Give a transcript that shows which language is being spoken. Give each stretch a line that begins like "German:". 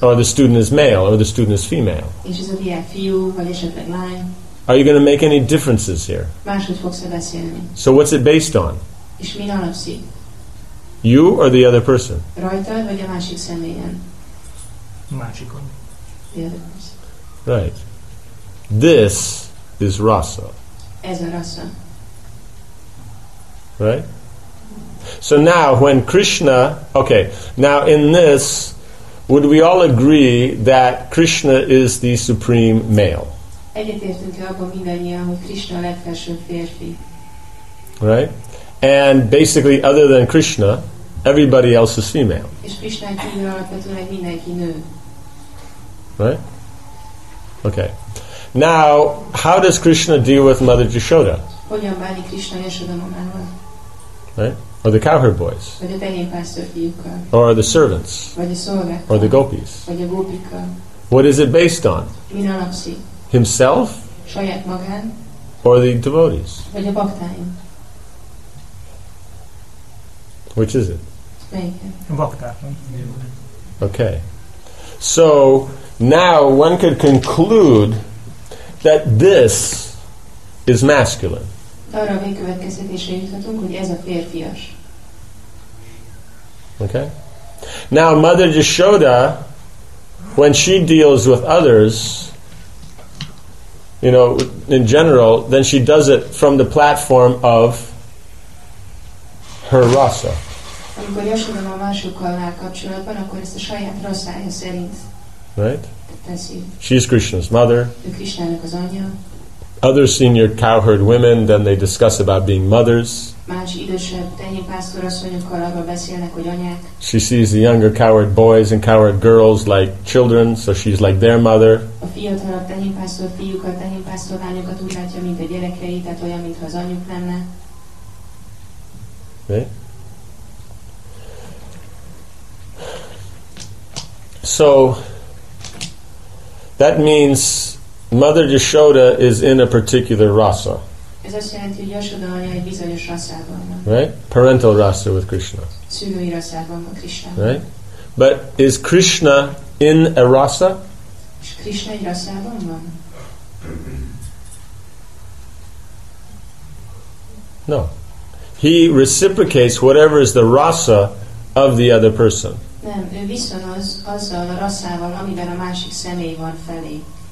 English: Or the student is male, or the student is female.
Hungarian: És ez a diák fiú, vagy esetleg lány.
English: Are you going to make any differences here?
Hungarian: Máshogy fogsz-e beszélni.
English: So what's it based on?
Hungarian: És mi alapszik?
English: You or the other person?
Hungarian: Rajtad, vagy a másik személyen? Másikon.
English: Yeah. Right. This is rasa.
Hungarian: Ez a rasa.
English: Right? So now, when Krishna... Okay, now in this, would we all agree that Krishna is the supreme male?
Hungarian: Egyetértünk-e abban mindannyian, hogy Krishna a legfelsőbb férfi?
English: Right? And basically, other than Krishna, everybody else is female.
Hungarian: És Krishna kívül alapvetően mindenki nő.
English: Right? Okay. Now, how does Krishna deal with Mother Yashoda?
Hungarian: Hogyan bánik Krishna Yashoda mamával?
English: Right? Or the cowherd boys.
Hungarian: Vagy a tenyérpásztor fiúkkal.
English: Or the servants.
Hungarian: Vagy a szolgákkal.
English: Or the gopis.
Hungarian: Vagy a gópikkal.
English: What is it based on?
Hungarian: Min alapszik?
English: Himself?
Hungarian: Saját magán.
English: Or the devotees?
Hungarian: Vagy a baktáim.
English: Which is it?
Hungarian: Melyiket? A baktá.
English: Okay. So, now one could conclude that this is masculine.
Hungarian: Arra a végkövetkeztetésre juthatunk, hogy ez a férfias.
English: Okay. Now, Mother Yashoda, when she deals with others, you know, in general, then she does it from the platform of her rasa.
Hungarian: Amikor Yashoda a másokkal áll kapcsolatban, akkor ezt a saját rasája szerint.
English: Right? She's Krishna's mother.
Hungarian: Krishna-nak az anyja.
English: Other senior cowherd women, then they discuss about being mothers.
Hungarian: Más idősebb tenyérpásztor asszonyokkal arról beszélnek, hogy anyák.
English: She sees the younger cowherd boys and cowherd girls like children, so she's like their mother.
Hungarian: A fiatalabb tenyérpásztor fiúkat, tenyérpásztor lányokat úgy látja, mint a gyerekei, tehát olyan, mintha az anyuk lenne.
English: Okay. So, that means Mother Yashoda is in a particular rasa.
Hungarian: Ez azt jelenti, hogy Yashoda anya egy bizonyos rasában van.
English: Right? Parental rasa with Krishna.
Hungarian: Szülői rasában van Krishna.
English: Right? But is Krishna in a rasa?
Hungarian: És Krishna egy rasában van?
English: No. He reciprocates whatever is the rasa of the other person.
Hungarian: Nem, ő viszonoz azzal a rasával, amiben a másik személy van felé.